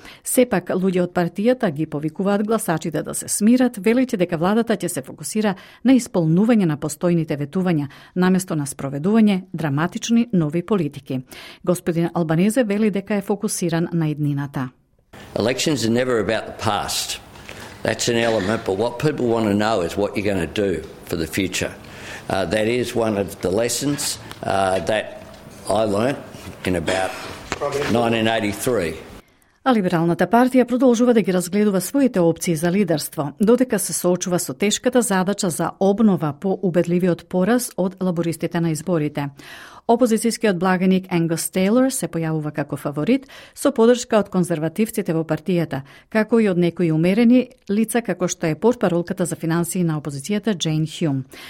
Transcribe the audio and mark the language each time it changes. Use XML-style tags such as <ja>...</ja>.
<mk>Сепак, луѓе од партијата ги повикуваат гласачите да се смират, велејќи дека владата ќе се фокусира на исполнување на постојните ветувања, наместо на спроведување драматични нови политики. Господин Албанезе вели дека е фокусиран на иднината.</mk> <en>Elections are never about the past. That's an element, but what people want to know is what you're going to do for the future. That is one of the lessons that I learnt in about 1983.</en> <mk>А Либералната партија продолжува да ги разгледува своите опции за лидерство, додека се соочува со тешката задача за обнова по убедливиот пораз од лабористите на изборите. Опозицијскиот благаник Ангус Тейлор се појавува како фаворит со подршка од конзервативците во партијата, како и од некои умерени лица како што е портпаролката за финансии на опозицијата Джейн Хјум.</mk>